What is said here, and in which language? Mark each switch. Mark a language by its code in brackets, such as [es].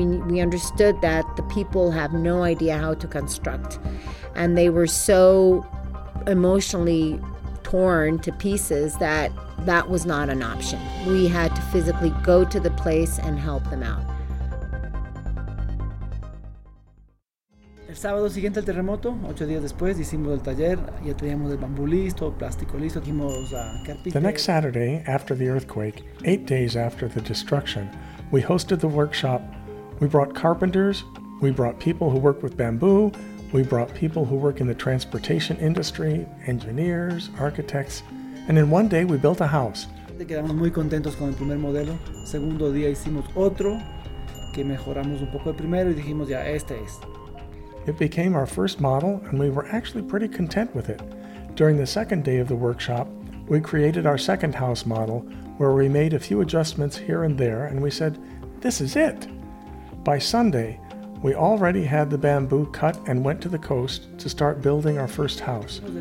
[en] We understood that the people have no idea how to construct, and they were so emotionally torn to pieces that was not an option. We had to physically go to the place and help them out. [es] El sábado siguiente al terremoto, 8 días después, hicimos el taller, ya teníamos el bambú listo, plástico listo, hicimos carpintería. [en] The next Saturday, after the earthquake, 8 days after the destruction, we hosted the workshop. We brought carpenters, we brought people who work with bamboo, we brought people who work in the transportation industry, engineers, architects, and in one day we built a house. [es] Quedamos muy contentos con el primer modelo. Segundo día hicimos otro, que mejoramos un poco el primero y dijimos ya, este es. [en] It became our first model, and we were actually pretty content with it. During the second day of the workshop, we created our second house model, where we made a few adjustments here and there, and we said, this is it. By Sunday, we already had the bamboo cut and went to the coast to start building our first house.